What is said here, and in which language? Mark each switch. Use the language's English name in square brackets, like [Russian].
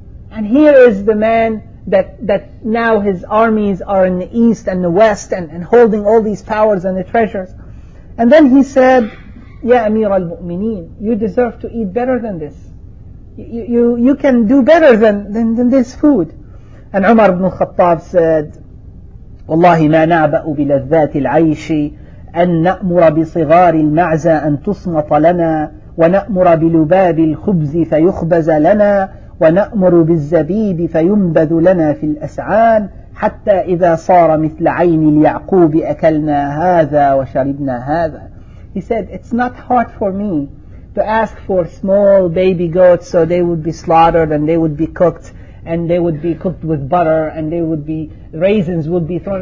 [English] And here is the man that now his armies are in the east and the west and holding all these powers and the treasures. And then he said, Ya Amir al-Mu'mineen, you deserve to eat better than this. You can do better than this food. And Umar ibn al-Khattab said, [Arabic] والله ما نعبأ بلذات العيش أن نأمر بصغار المعزى أن تصمت لنا ونأمر بلباب الخبز فيخبز لنا ونأمر بالزبيب فينبذ لنا في الأسعان حتى إذا صار مثل عين اليعقوب أكلنا هذا وشربنا هذا. [English] He said, it's not hard for me to ask for small baby goats so they would be slaughtered and they would be cooked, and they would be cooked with butter, and they would be, raisins would be thrown.